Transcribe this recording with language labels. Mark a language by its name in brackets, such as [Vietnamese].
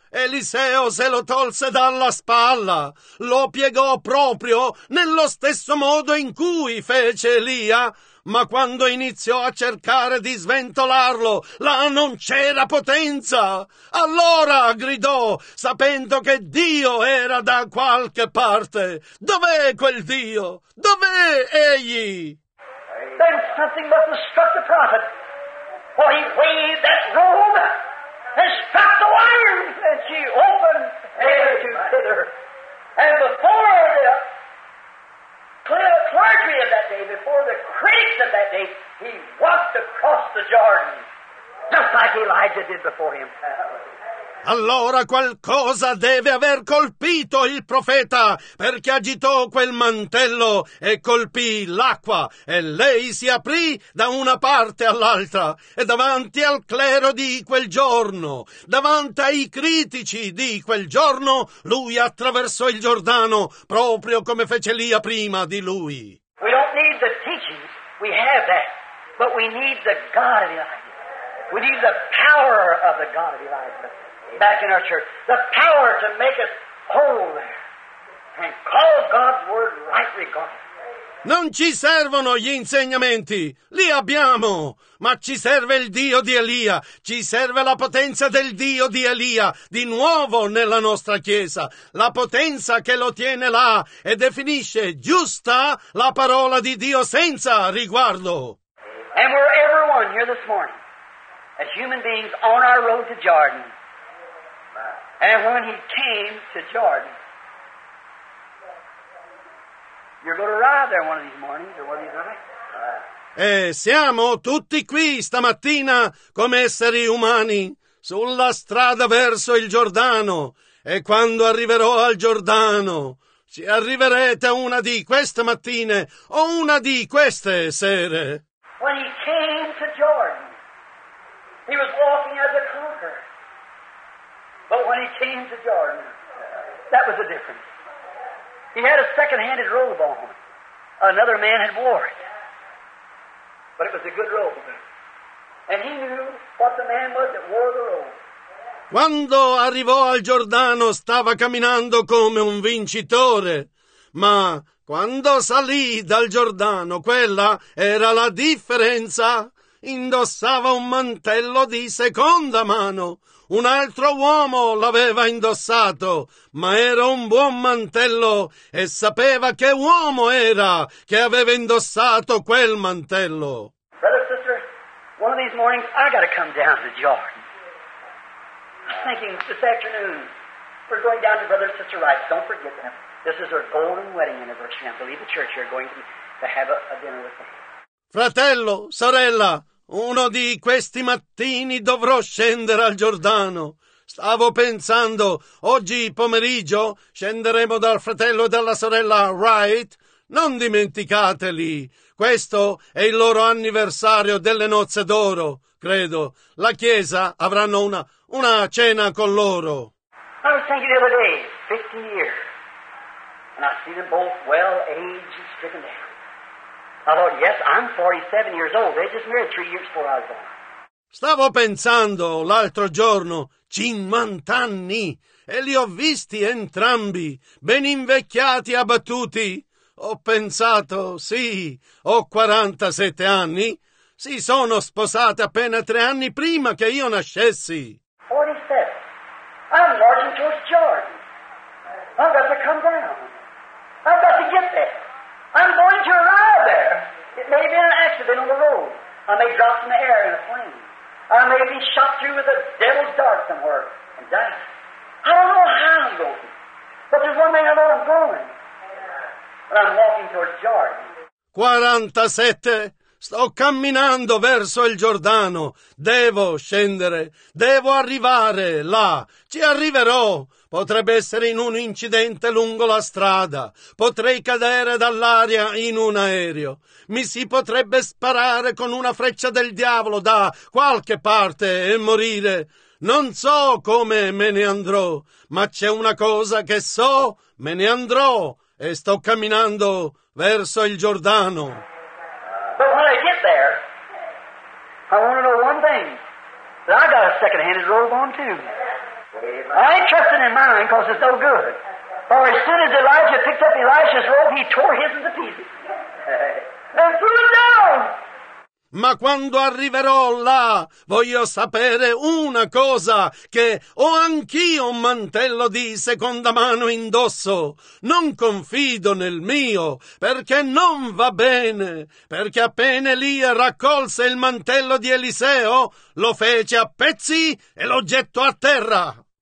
[Italian] Eliseo se lo tolse dalla spalla, lo piegò proprio nello stesso modo in cui fece Elia, ma quando iniziò a cercare di sventolarlo, là non c'era potenza. Allora gridò, sapendo che Dio era da qualche parte. Dov'è quel Dio? Dov'è Egli? [English] Then something must have struck the prophet. for he waved that robe and struck the wire, and she opened thither. And before the clergy of that day, before the critics of that day, he walked across the Jordan, just like Elijah did before him. [Italian] Allora qualcosa deve aver colpito il profeta, perché agitò quel mantello e colpì l'acqua, e lei si aprì da una parte all'altra, e davanti al clero di quel giorno, davanti ai critici di quel giorno, lui attraversò il Giordano, proprio come fece Elia prima di lui. [English] We don't need the teaching, we have that, but we need the God of Elijah. We need the power of the God of Elijah. Back in our church, the power to make us whole there and call God's word rightly God. [Italian] Non ci servono gli insegnamenti, li abbiamo, ma ci serve il Dio di Elia, ci serve la potenza del Dio di Elia, di nuovo nella nostra Chiesa, la potenza che lo tiene là e definisce giusta la parola di Dio senza riguardo. [English] And we're everyone here this morning, as human beings on our road to Jordan. And when he came to Jordan, you're going to arrive there one of these mornings, or one of these nights. [Italian] E siamo tutti qui stamattina come esseri umani sulla strada verso il Giordano. E quando arriverò al Giordano, ci arriverete una di queste mattine o una di queste sere. [English] When he came to Jordan, he was walking as a conqueror. But when he came to Jordan, that was the difference. He had a second-handed robe on. Another man had wore it. But it was a good robe. And he knew what the man was that wore the robe. [Italian] Quando arrivò al Giordano, stava camminando come un vincitore. Ma quando salì dal Giordano, quella era la differenza. Indossava un mantello di seconda mano. Un altro uomo l'aveva indossato, ma era un buon mantello e sapeva che uomo era che aveva indossato quel mantello. [English] Brother, sister, one of these mornings I gotta come down to Jordan. I'm thinking this afternoon we're going down to Brother and Sister Rice. Don't forget them. This is our golden wedding anniversary. I believe the church here are going to have a dinner with them. [Italian] Fratello, sorella, uno di questi mattini dovrò scendere al Giordano. Stavo pensando, oggi pomeriggio scenderemo dal fratello e dalla sorella Wright. Non dimenticateli. Questo è il loro anniversario delle nozze d'oro, credo. La Chiesa avranno una cena con loro. [English] I was thinking the other day, 50 years, and I see them both well aged and stricken down. I thought, yes, I'm 47 years old. They just married 3 years before I was born. [Italian] Stavo pensando l'altro giorno, 50 anni, e li ho visti entrambi, ben invecchiati e abbattuti. Ho pensato, sì, ho 47 anni. Si sono sposati appena 3 anni prima che io nascessi. [English] 47. I'm marching towards Jordan. I've got to come down. I've got to get there. I'm going to arrive there. It may be an accident on the road. I may drop in the air in a plane. I may be shot through with a devil's dart somewhere and die. I don't know how I'm going, but there's one thing I know I'm going. But I'm walking towards Jordan. [Italian] 47. Sto camminando verso il Giordano. Devo scendere. Devo arrivare là. Ci arriverò. Potrebbe essere in un incidente lungo la strada. Potrei cadere dall'aria in un aereo. Mi si potrebbe sparare con una freccia del diavolo da qualche parte e morire. Non so come me ne andrò, ma c'è una cosa che so. Me ne andrò e sto camminando verso il Giordano. [English] But when I get there, I want to know one thing, that I got a second-handed robe on too. I ain't trusting in mine because it's no good. For as soon as Elijah picked up Elisha's robe, he tore his into pieces and threw it down. [Italian] Ma quando arriverò là, voglio sapere una cosa, che ho anch'io un mantello di seconda mano indosso. Non confido nel mio, perché non va bene, perché appena Elia raccolse il mantello di Eliseo, lo fece a pezzi e lo gettò a terra.